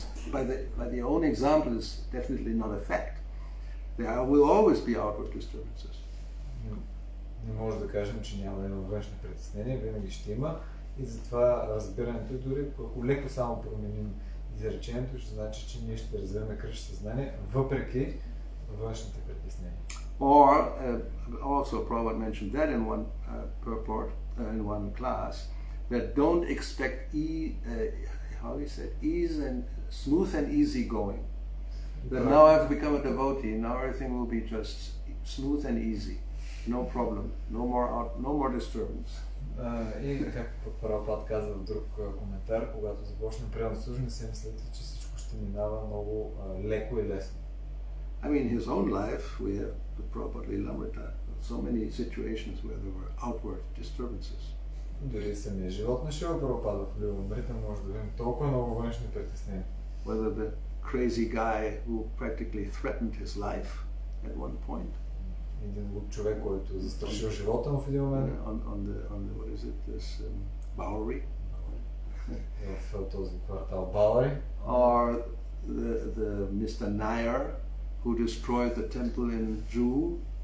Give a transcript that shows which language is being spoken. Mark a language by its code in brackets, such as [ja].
[en] By the own example is definitely not a fact. There will always be outward disturbances. [bg] Не може да кажем, че няма да има външни притеснения, винаги ще има. И затова разбирането е дори ако леко само променим изречението, ще значи, че ние ще развиваме кръщ съзнание, въпреки външните притеснения. [en] Or also Prabhupada mentioned that in one purport in one class, that don't expect ease and smooth and easy going. That now I've become a devotee, now everything will be just smooth and easy. No problem, no more disturbance. [bg] И както Прабхупад каза в друг коментар, когато започнем приемно служене, си мислите, че всичко ще минава много леко и лесно. [en] I mean, his own life, we have the Prabhupada Lilamrita, so many situations where there were outward disturbances. [bg] Дори самия живот на Шрила Прабхупада в Лилямрита може да видим толкова много външни притеснения. [en] Whether the crazy guy who practically threatened his life at one point. [bg] Един луд човек, който застрашил живота му в един момент. [en] On the what is it, this Bowery? [bg] В този квартал Bowery. [en] Or the Mr. Nair, who destroyed the temple in Jew.